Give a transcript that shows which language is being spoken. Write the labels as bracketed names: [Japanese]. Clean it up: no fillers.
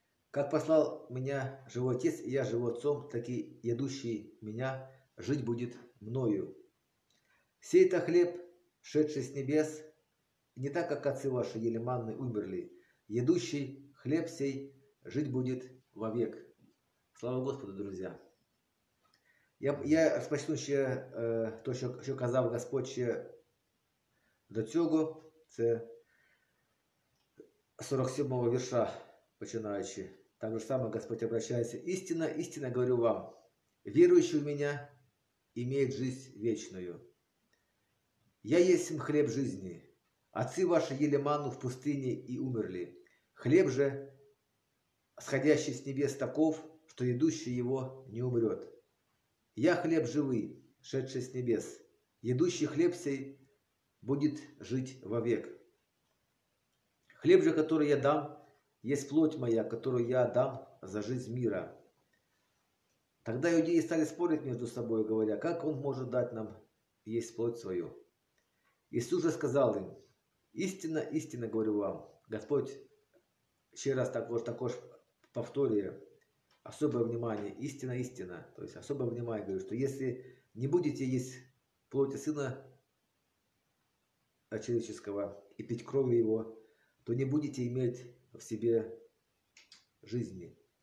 [Russian] Как послал меня живой отец, и я живу отцом, так и едущий меня жить будет мною. Сей это хлеб, шедший с небес, не так, как отцы ваши ели манны, умерли. Едущий хлеб сей жить будет вовек. Слава Господу, друзья! [Ukrainian] Я спочну ще то, що казав Господь ще до цього, це 47-го вірша, починаючи. Так же саме Господь обращається: «Істина, істина, говорю вам, віруючий в мене має [Russian] жизнь вечною. [Ukrainian] Я єсм хліб жизни, отці ваші їли ману в пустыне і умерли. Хліб же, сходящий з небес, таков, що йдущий його [Russian] не умрет. [Ukrainian] Я хліб живий, шедший з небес, йдущий хліб сей буде жити вовек. [Russian] Хлеб же, который я дам, есть плоть моя, которую я дам за жизнь мира. Тогда иудеи стали спорить между собой, говоря: как он может дать нам есть плоть свою? Иисус же сказал им: истинно, истинно говорю вам, Господь еще раз так уж повторяю, особое внимание, истинно, истинно, то есть особое внимание, говорю, что если не будете есть плоти Сына человеческого и пить крови Его, то не будете иметь в себе жизни.